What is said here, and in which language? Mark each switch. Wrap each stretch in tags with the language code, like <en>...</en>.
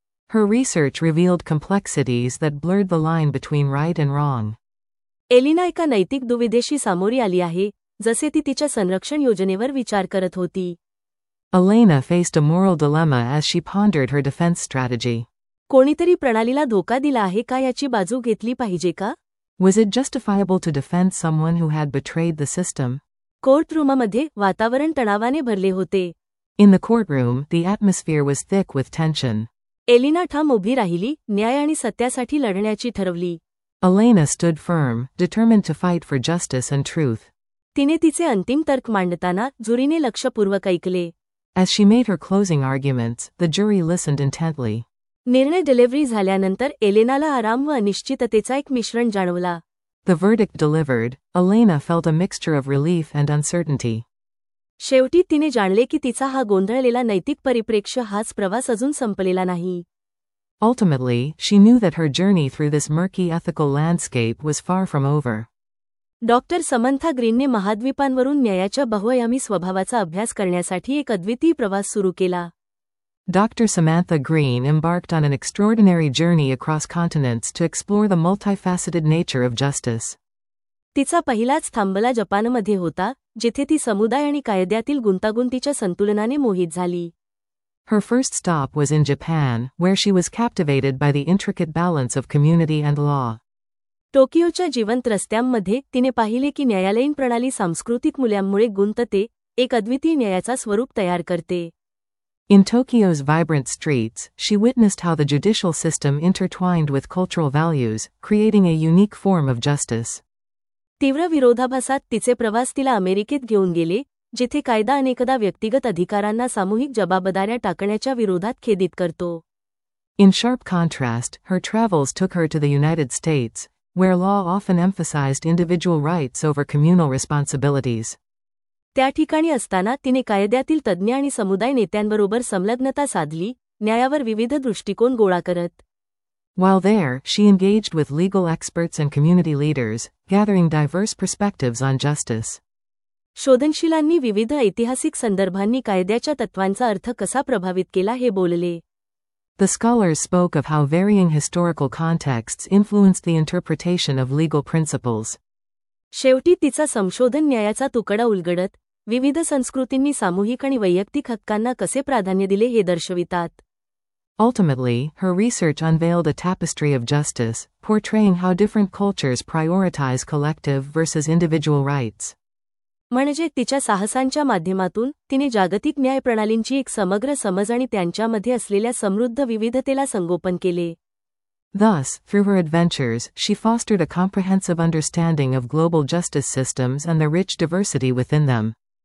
<en>Her research revealed complexities that blurred the line between right and wrong.</en> <mr>Elina एका नैतिक दुविधेशी सामोरी आली आहे, जसे ती तिच्या संरक्षण योजनेवर विचार करत होती.</mr> <en>Elena faced a moral dilemma as she pondered her defense strategy.</en> <mr>कोणीतरी प्रणालीला धोका दिला आहे का याची बाजू घेतली पाहिजे का?</mr> <en>Was it justifiable to defend someone who had betrayed the system?</en> <mr>कोर्टरूममध्ये वातावरण तणावाने भरले होते.</mr> <en>In the courtroom, the atmosphere was thick with tension.</en> <mr>Elena ठाम उभी राहिली, न्याय आणि सत्यासाठी लढण्याची ठरवली.</mr> <en>Elena stood firm, determined to fight for justice and truth.</en> <mr>तिने तिचे अंतिम तर्क मांडताना जुरीने लक्षपूर्वक ऐकले.</mr> <en>As she made her closing arguments, the jury listened intently.</en> <mr>निर्णय डिलिव्हरी झाल्यानंतर एलेनाला आराम व अनिश्चिततेचा एक मिश्रण जाणवला.</mr> <en>The verdict delivered, Elena felt a mixture of relief and uncertainty.</en> <mr>शेवटी तिने जाणले की तिचा हा गोंधळलेला नैतिक परिप्रेक्ष्य हाच प्रवास अजून संपलेला नाही.</mr> <en>Ultimately, she knew that her journey through this murky ethical landscape was far from over.</en> <mr>Doctor Samantha ग्रीनने महाद्वीपांवरून न्यायाच्या बहुआयामी स्वभावाचा अभ्यास करण्यासाठी एक अद्वितीय प्रवास सुरू केला.</mr> <en>Doctor Samantha Green embarked on an extraordinary journey across continents to explore the multifaceted nature of justice.</en> <mr>तिचा पहिलाच थांबला जपानमध्ये होता, जिथे ती समुदाय आणि कायद्यातील गुंतागुंतीच्या संतुलनाने मोहित झाली.</mr> <en>Her first stop was in Japan, where she was captivated by the intricate balance of community and law.</en> <mr>टोकियोच्या जिवंत रस्त्यांमध्ये तिने पाहिले की न्यायालयीन प्रणाली सांस्कृतिक मूल्यांमुळे गुंतते, एक अद्वितीय न्यायाचा स्वरूप तयार करते.</mr> <en>In Tokyo's vibrant streets, she witnessed how the judicial system intertwined with cultural values, creating a unique form of justice.</en> <mr>तीव्र विरोधाभासात तिचे प्रवास तिला अमेरिकेत घेऊन गेले, जिथे कायदा अनेकदा व्यक्तिगत अधिकारांना सामूहिक जबाबदाऱ्या टाकण्याच्या विरोधात खेदित करतो.</mr> <en>In sharp contrast, her travels took her to the United States, where law often emphasized individual rights over communal responsibilities.</en> <mr>त्या ठिकाणी असताना तिने कायद्यातील तज्ज्ञ आणि समुदाय नेत्यांबरोबर संलग्नता साधली, न्यायावर विविध दृष्टिकोन गोळा करत.</mr> <en>While there, she engaged with legal experts and community leaders, gathering diverse perspectives on justice.</en> <mr>शोधनशीलांनी विविध ऐतिहासिक संदर्भांनी कायद्याच्या तत्वांचा अर्थ कसा प्रभावित केला हे बोलले.</mr> <en>The scholars spoke of how varying historical contexts influenced the interpretation of legal principles.</en> <mr>शेवटी तिचा संशोधन न्यायाचा तुकडा उलगडत, विविध संस्कृतींनी सामूहिक आणि वैयक्तिक हक्कांना कसे प्राधान्य दिले हे दर्शवितात.</mr> <en>Ultimately, her research unveiled a tapestry of justice, portraying how different cultures prioritize collective versus individual rights.</en> <mr>म्हणजे तिच्या साहसांच्या माध्यमातून तिने जागतिक न्याय प्रणालींची एक समग्र समज आणि त्यांच्यामध्ये असलेल्या समृद्ध विविधतेला संगोपन केले.</mr> <en>Thus, through her adventures, she fostered a comprehensive understanding of global justice systems and the rich diversity within them.</en>